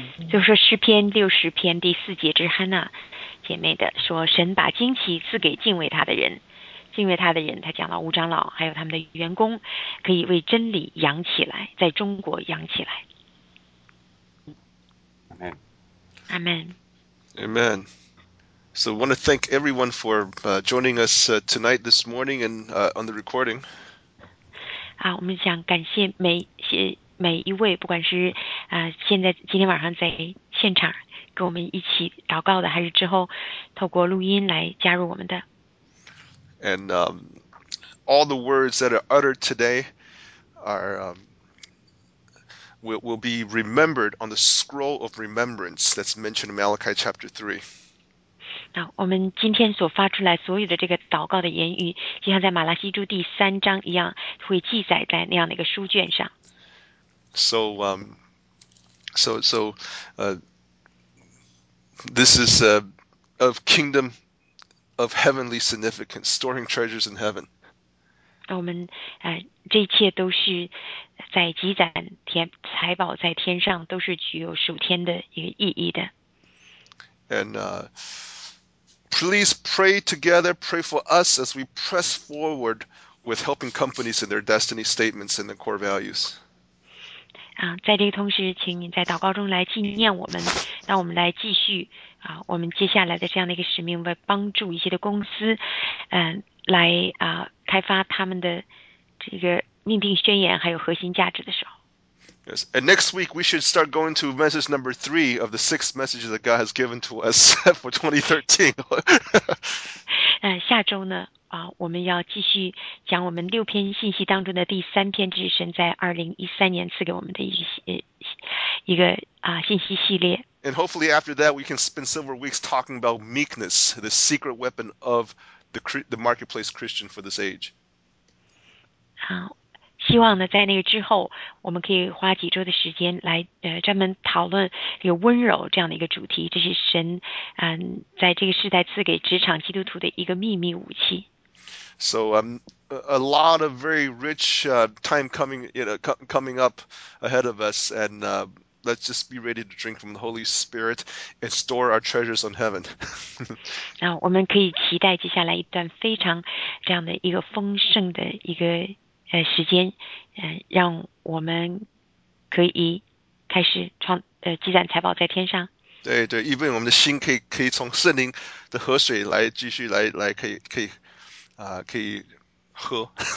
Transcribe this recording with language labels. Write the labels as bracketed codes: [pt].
[zh] 就说诗篇六十篇第四节之哈纳姐妹的说，神把旌旗赐给敬畏他的人，敬畏他的人，他讲了吴长老还有他们的员工可以为真理扬起来，在中国扬起来。阿们，阿们。 [en] So I want to thank everyone for joining us tonight, this morning, and on the recording. [zh] 我们想感谢每一位，不管是现在今天晚上在现场跟我们一起祷告的，还是之后透过录音来加入我们的。 [en] And all the words that are uttered today are will be remembered on the scroll of remembrance that's mentioned in Malachi chapter 3. [zh] 我们今天所发出来所有的这个祷告的言语，就像在马拉基书第三章一样，会记载在那样的一个书卷上。 [en] So, this is of kingdom of heavenly significance, storing treasures in heaven. [zh] 我们这一切都是在积攒天财宝在天上，都是具有属天的一个意义的。 [en] And please pray together, pray for us as we press forward with helping companies in their destiny statements and the core values. [zh] 在这个同时，请你在祷告中来纪念我们，让我们来继续我们接下来的这样的一个使命，为帮助一些的公司来开发他们的这个命定宣言还有核心价值的时候。 [en] Yes, and next week we should start going to message number 3 of the 6 messages that God has given to us for 2013. [zh] 下周呢我们要继续讲我们六篇信息当中的第三篇，是神在2013年赐给我们的一个信息系列。 [en] And hopefully after that, we can spend several weeks talking about meekness, the secret weapon of the marketplace Christian for this age. [zh] 希望呢，在那个之后，我们可以花几周的时间来专门讨论这个温柔这样的一个主题。这是神在这个时代赐给职场基督徒的一个秘密武器。 [en] So a lot of very rich time coming up ahead of us, and let's just be ready to drink from the Holy Spirit and store our treasures on heaven. [zh] 我们可以期待接下来一段非常这样的一个丰盛的一个时间，让我们可以开始积攒财宝在天上。对对，因为我们的心可以从圣灵的河水来继续来可以喝，